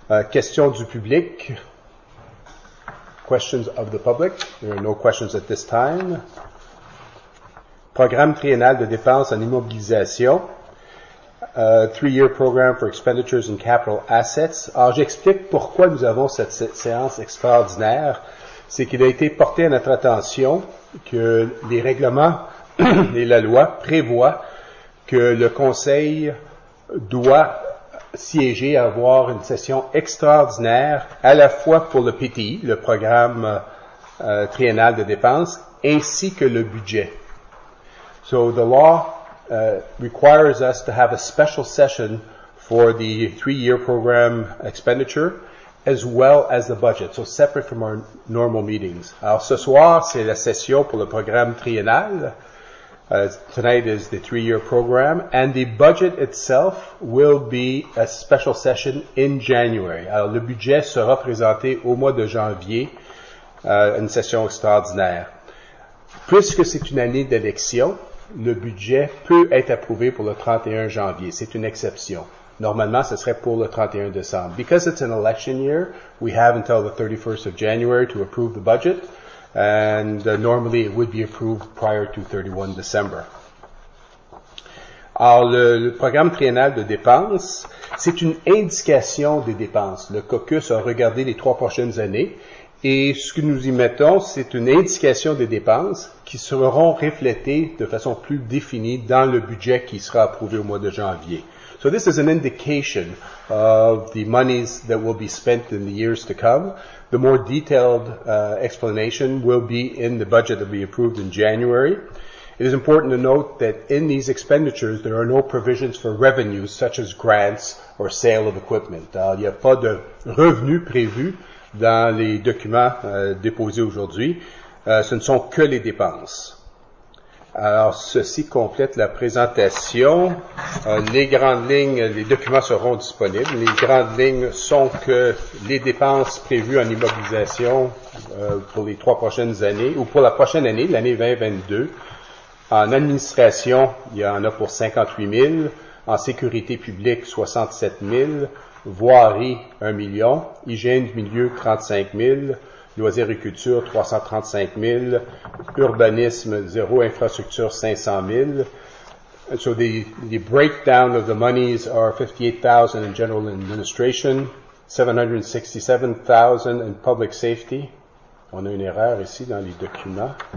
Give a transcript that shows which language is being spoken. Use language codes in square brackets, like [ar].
[fr] Questions du public, [en] questions of the public, there are no questions at this time. [fr] Programme triennal de dépenses en immobilisation. [en] Three-year program for expenditures and capital assets. [fr] Alors, j'explique pourquoi nous avons cette séance extraordinaire. C'est qu'il a été porté à notre attention que les règlements et la loi prévoient que le Conseil doit siéger, avoir une session extraordinaire, à la fois pour le PTI, le programme triennal de dépenses, ainsi que le budget. [en] So, the law requires us to have a special session for the three-year program expenditure as well as the budget, so separate from our normal meetings. [fr] Alors, ce soir, c'est la session pour le programme triennal. [en] Tonight is the three-year program, and the budget itself will be a special session in January. [fr] Alors, le budget sera présenté au mois de janvier, une session extraordinaire. Puisque c'est une année d'élection, le budget peut être approuvé pour le 31 janvier. C'est une exception. Normalement, ce serait pour le 31 décembre. [en] Because it's an election year, we have until the 31st of January to approve the budget. And normally, it would be approved prior to 31 December. [fr] Alors, le programme triennal de dépenses, c'est une indication des dépenses. Le caucus a regardé les trois prochaines années. Et ce que nous y mettons, c'est une indication des dépenses qui seront reflétées de façon plus définie dans le budget qui sera approuvé au mois de janvier. [en] So this is an indication of the monies that will be spent in the years to come. The more detailed explanation will be in the budget that will be approved in January. It is important to note that in these expenditures, there are no provisions for revenues such as grants or sale of equipment. [fr] Il n'y a pas de revenus prévus dans les documents déposés aujourd'hui. Ce ne sont que les dépenses. Alors, ceci complète la présentation. Les grandes lignes, les documents seront disponibles. Les grandes lignes sont que les dépenses prévues en immobilisation pour les trois prochaines années, ou pour la prochaine année, l'année 2022. En administration, il y en a pour 58 000. En sécurité publique, 67 000. Voirie, 1 million. Hygiène du milieu, 35 000. Loisirs et culture, 335 000. Urbanisme, zéro. Infrastructure, 500 000. [en] So the breakdown of the monies are 58,000 in general administration, 767,000 in public safety. [fr] On a une erreur ici dans les documents.